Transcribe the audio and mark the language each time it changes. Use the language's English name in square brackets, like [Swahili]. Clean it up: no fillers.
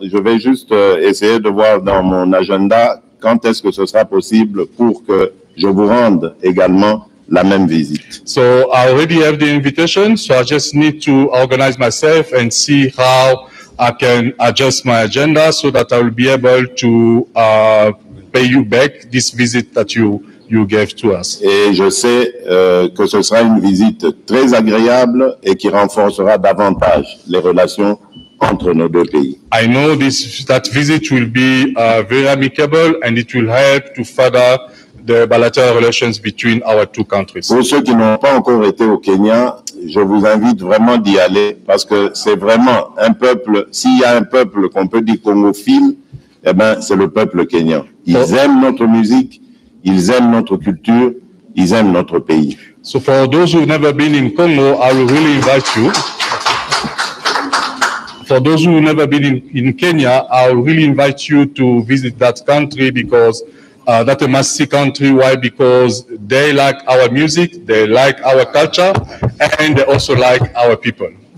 [French] Je vais juste essayer de voir dans mon agenda quand est-ce que ce sera possible pour que je vous rende également la même visite. [English] So I already have the invitation, so I just need to organize myself and see how I can adjust my agenda so that I will be able to pay you back this visit that you gave to us. [French] Et je sais que ce sera une visite très agréable et qui renforcera davantage les relations entre nos deux pays. [English] I know that visit will be very amicable and it will help to further the bilateral relations between our two countries. [French] Pour ceux qui n'ont pas encore été au Kenya, je vous invite vraiment d'y aller parce que c'est vraiment un peuple, s'il y a un peuple qu'on peut dire congophile, eh ben c'est le peuple kenyan. Ils aiment notre musique, ils aiment notre culture, ils aiment notre pays. [English] So for those who've never been in Congo, I will really invite you. For those who've never been in Kenya, I will really invite you to visit that country because that's a massive country. Why? Because they like our music, they like our culture, and they also like our people.